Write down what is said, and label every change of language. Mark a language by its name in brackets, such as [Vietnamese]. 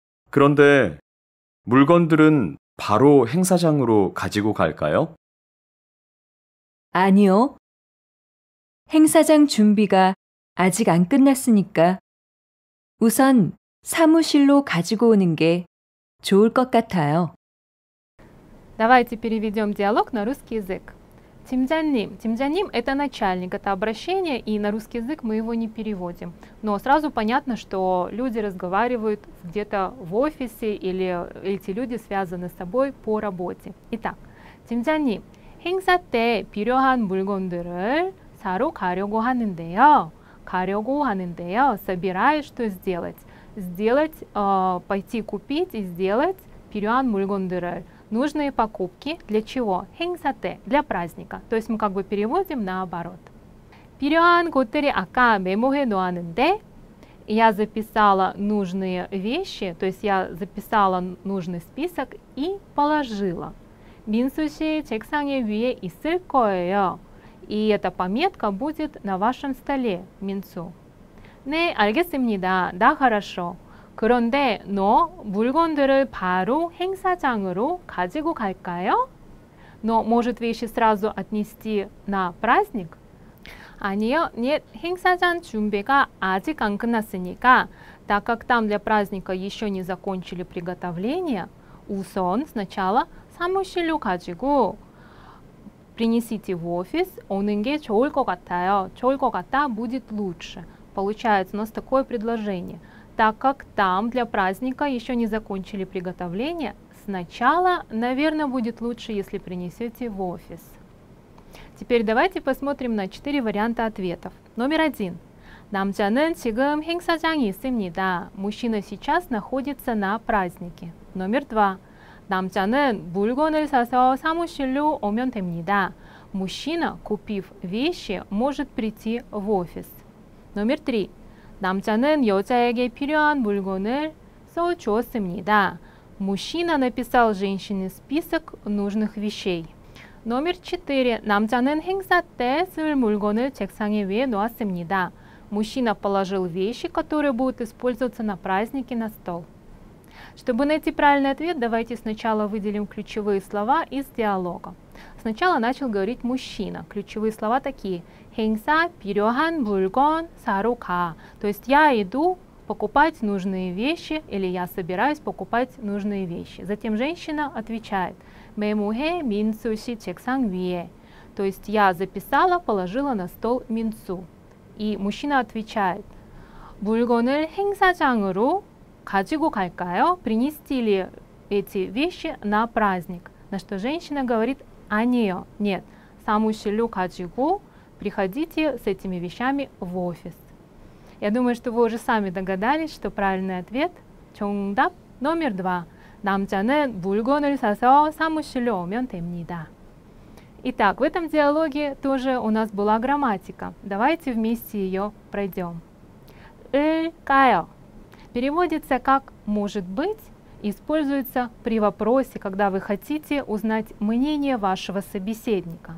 [Korean] 그런데 물건들은 바로 행사장으로 가지고 갈까요? 아니요. 행사장 준비가 아직 안 끝났으니까 우선 사무실로 가지고 오는 게 좋을 것 같아요. [Russian] Давайте переведем диалог на русский язык. 팀장님, 팀장님 это начальник, это обращение, и на русский язык мы его не переводим. Но сразу понятно, что люди разговаривают где-то в офисе или эти люди связаны с тобой по работе. Итак, [Korean] 팀장님, 행사 때 필요한 물건들을 사러 가려고 하는데요. 가려고 하는데요. [Russian] Собираюсь что сделать? Сделать, пойти купить и сделать [Korean] 필요한 물건들을. [Russian] Нужные покупки для чего? 행사때, для праздника. То есть мы как бы переводим наоборот. [Korean] 필요한 것들이 아까 메모해 놓았는데, [Russian] я записала нужные вещи, то есть я записала нужный список и положила. [Korean] 민수 씨 책상에 위에 있을 거예요. [Russian] И эта пометка будет на вашем столе, 민수. [Korean] 네, 알겠습니다. 다 [Russian] хорошо. [Korean] 그런데 너 물건들을 바로 행사장으로 가지고 갈까요? [Russian] Но может вещи сразу отнести на праздник? [Korean] 아니요, [Russian] нет. [Korean] 행사장 준비가 아직 안 끝났으니까, [Russian] так как там для праздника еще не закончили приготовление, усон сначала [Korean] 사무실로 가지고 [Russian] принесите в офис, [Korean] 오는 게 좋을 것 같아요. 좋을 것 같다, [Russian] будет лучше. Получается, у нас такое предложение. Так как там для праздника еще не закончили приготовление, сначала, наверное, будет лучше, если принесете в офис. Теперь давайте посмотрим на 4 варианта ответов. Номер 1. [Korean] 남자는 지금 행사장에 있습니다. [Russian] Мужчина сейчас находится на празднике. Номер 2. [Korean] 남자는 물건을 사서 사무실로 오면 됩니다. [Russian] Мужчина, купив вещи, может прийти в офис. Номер 3. [Korean] 남자는 여자에게 필요한 물건을 써주었습니다. [Russian] Мужчина написал женщине список нужных вещей. Номер 4. [Korean] 남자는 행사 때 쓸 물건을 책상에 위에 놓았습니다. [Russian] Мужчина положил вещи, которые будут использоваться на празднике, на стол. Чтобы найти правильный ответ, давайте сначала выделим ключевые слова из диалога. Сначала начал говорить мужчина. Ключевые слова такие. [Korean] 행사 필요한 물건 사러 가. [Russian] То есть я иду покупать нужные вещи или я собираюсь покупать нужные вещи. Затем женщина отвечает. [Korean] 메모해 민수씨 책상 위에. [Russian] То есть я записала, положила на стол 민수. И мужчина отвечает. [Korean] 물건을 행사장으로 가지고 갈까요? [Russian] Принести ли эти вещи на праздник? На что женщина говорит, а нет, нет. Саму селю каджигу, приходите с этими вещами в офис. Я думаю, что вы уже сами догадались, что правильный ответ чонгдап номер два. [Korean] 남자는 물건을 사서 사무실로 오면 됩니다. [Russian] Итак, в этом диалоге тоже у нас была грамматика. Давайте вместе ее пройдем. [Korean] 을까요? [Russian] Переводится как «может быть», используется при вопросе, когда вы хотите узнать мнение вашего собеседника.